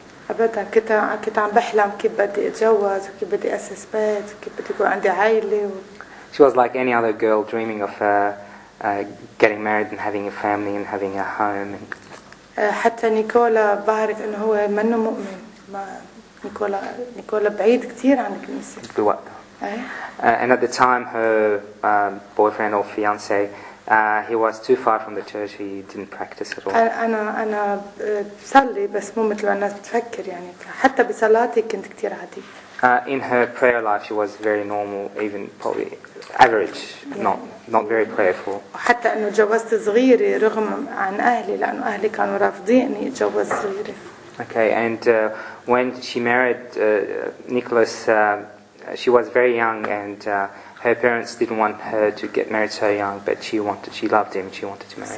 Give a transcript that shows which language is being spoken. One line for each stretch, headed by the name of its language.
Arabic: أبدا كنت عم بحلم كيف بدي أتجوز وكيف بدي أسس بيت وكيف بدي يكون عندي عائلة.
English: She was like any other girl dreaming of getting married and having a family and having a home.
Arabic: حتى نيكولا بعرف إنه هو منه مؤمن ما نيكولا بعيد كتير عن الكنيسة. بوقتها.
English: And at the time her boyfriend or fiance he was too far from the church. He didn't practice at all.
Arabic: أنا بصلي بس مو مثل الناس بتفكر يعني حتى بصلاتي كنت كتير عادي.
English: In her prayer life, she was very normal, even probably average, not very prayerful.
Arabic: حتى إنه جوزت صغيرة رغم عن أهلي لأنه أهلي كانوا رافضيني جوز صغيرة.
English: Okay, and when she married Nicholas, she was very young and. her parents didn't want her to get married so young, but she wanted, she loved him, she wanted to marry